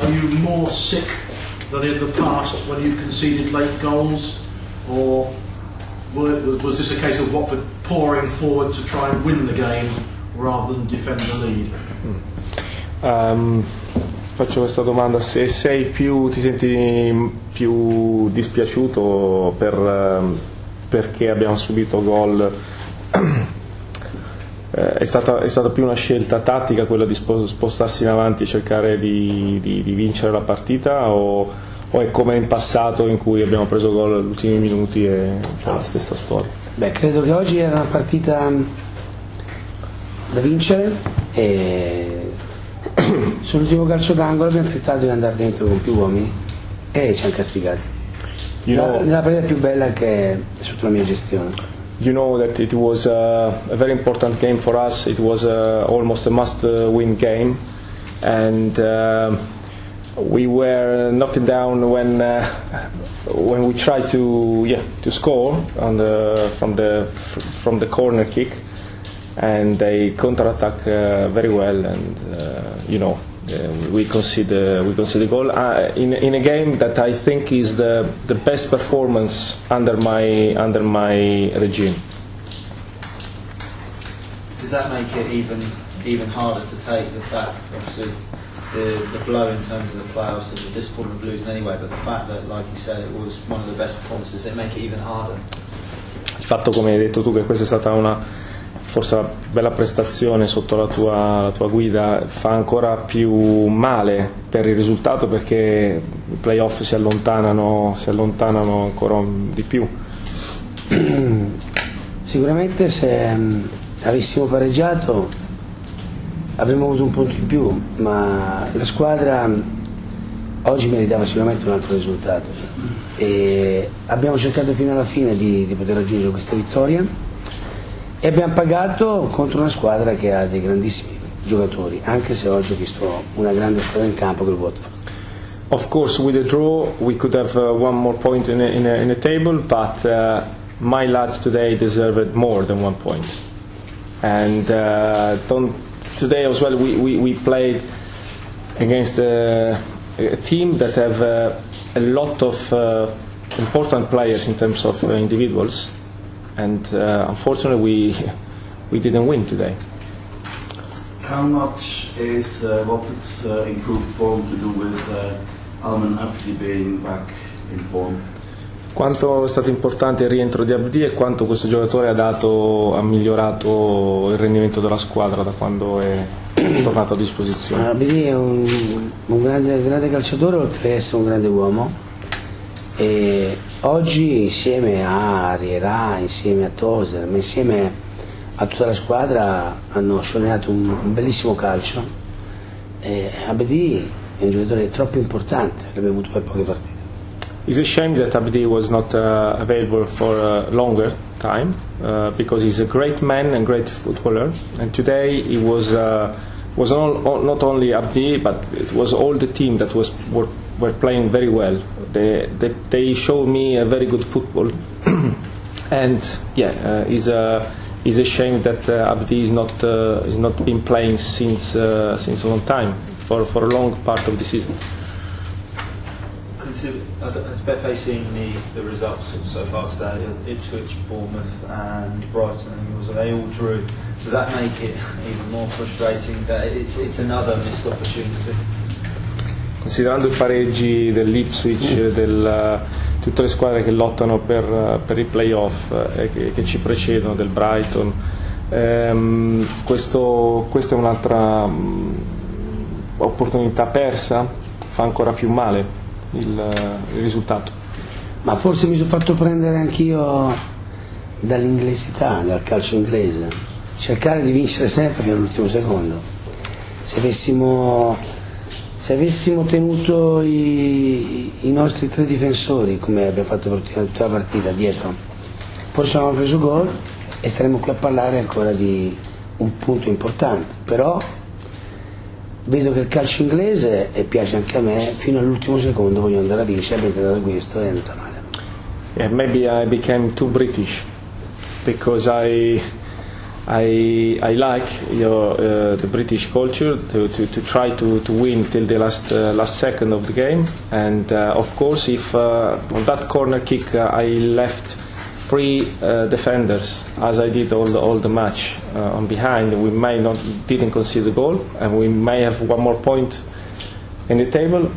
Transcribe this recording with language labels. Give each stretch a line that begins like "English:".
English: Are you more sick than in the past when you've conceded late goals? Or was this a case of Watford pouring forward to try and win the game rather than defend the lead?
Italian: Faccio questa domanda: se sei più, ti senti più dispiaciuto perché abbiamo subito gol, è stata più una scelta tattica quella di spostarsi in avanti e cercare di vincere la partita, o è come in passato in cui abbiamo preso gol agli ultimi minuti e è la stessa storia? Beh, credo che oggi era una partita da vincere e sull'ultimo calcio d'angolo abbiamo tentato di andare dentro con più uomini e ci hanno castigati. La partita più bella che è sotto la mia gestione.
English: You know that it was a very important game for us. It was almost a must-win game, and we were knocking down when we tried to score on the from the corner kick, and they counter-attack very well, and you know. We concede a goal in a game that I think is the best performance under my regime. Does that make it even harder to take, the fact, obviously, the blow in terms of the playoffs and the discipline of losing anyway, but the fact that, like you said, it was one of the best performances, does it make it even harder?
Italian: Il fatto, come hai detto tu, che questa è stata una forse la bella prestazione sotto la tua guida, fa ancora più male per il risultato, perché i playoff si allontanano ancora di più. Sicuramente se avessimo pareggiato avremmo avuto un punto in più, ma la squadra oggi meritava sicuramente un altro risultato e abbiamo cercato fino alla fine di poter raggiungere questa vittoria. E abbiamo pagato contro una squadra che ha dei grandissimi giocatori, anche se oggi ho visto una grande squadra in campo, che è il Watford.
English: Of course, with a draw we could have one more point in a table, but my lads today deserved more than one point. And today as well we played against a team that have a lot of important players in terms of individuals. And unfortunately, we didn't win today. How much is Watford's improved form to do with Almen Abdi being back in form?
Italian: Quanto è stato importante il rientro di Abdi e quanto questo giocatore ha migliorato il rendimento della squadra da quando è tornato a disposizione? Abdi è un grande calciatore, oltre ad essere un grande uomo. E oggi insieme a Riera, insieme a Toser, ma insieme a tutta la squadra hanno sciogliato un bellissimo calcio. E Abdi è un giocatore troppo importante, l'abbiamo avuto per poche partite.
English: It's a shame that Abdi was not available for a longer time, because he's a great man and great footballer, and today he was not only Abdi, but it was all the team that were playing very well. They showed me a very good football, and yeah, it's a shame that Abdi is not been playing since a long time, for a long part of the season. Has Pepe seen the results so far today? Ipswich, Bournemouth, and Brighton—they all drew. Does that make it even more frustrating that it's another missed opportunity?
Italian: Considerando i pareggi dell'Ipswich, tutte le squadre che lottano per i playoff e che ci precedono, del Brighton, questa è un'altra opportunità persa, fa ancora più male il risultato. Ma forse mi sono fatto prendere anch'io dall'inglesità, dal calcio inglese, cercare di vincere sempre fino all'ultimo secondo. Se avessimo tenuto i nostri tre difensori, come abbiamo fatto per tutta la partita, dietro, forse avevamo preso gol e staremmo qui a parlare ancora di un punto importante. Però vedo che il calcio inglese, e piace anche a me, fino all'ultimo secondo voglio andare a vincere, avete dato questo e è andato male.
English: Yeah, maybe I became too British, because I I like your the British culture to try to win till the last second of the game. And of course, if on that corner kick I left three defenders, as I did all the match on behind, we didn't concede the goal, and we may have one more point in the table.